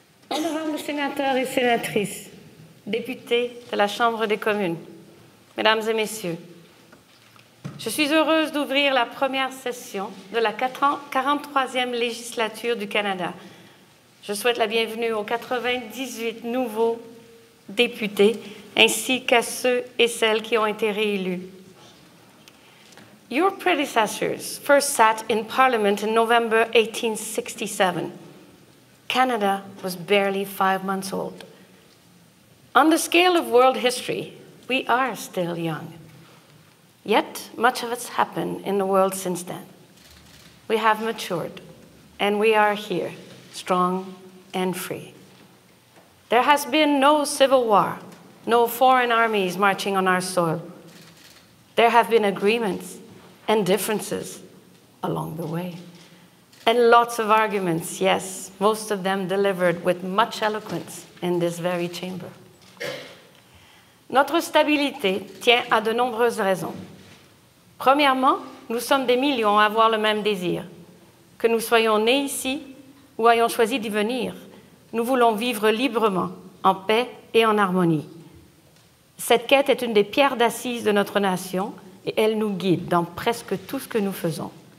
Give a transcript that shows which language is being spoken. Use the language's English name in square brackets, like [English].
[French] Honorables sénateurs et sénatrices, députés de la Chambre des communes, mesdames et messieurs, je suis heureuse d'ouvrir la première session de la 43e législature du Canada. Je souhaite la bienvenue aux 98 nouveaux députés, ainsi qu'à ceux et celles qui ont été réélus. [English] Your predecessors first sat in Parliament in November 1867. Canada was barely 5 months old. On the scale of world history, we are still young. Yet, much of it's happened in the world since then. We have matured, and we are here, strong and free. There has been no civil war, no foreign armies marching on our soil. There have been agreements and differences along the way. And lots of arguments, yes, most of them delivered with much eloquence in this very chamber. [French] Notre stabilité tient à de nombreuses raisons. Premièrement, nous sommes des millions à avoir le même désir. Que nous soyons nés ici ou ayons choisi d'y venir, nous voulons vivre librement, en paix et en harmonie. Cette quête est une des pierres d'assises de notre nation et elle nous guide dans presque tout ce que nous faisons.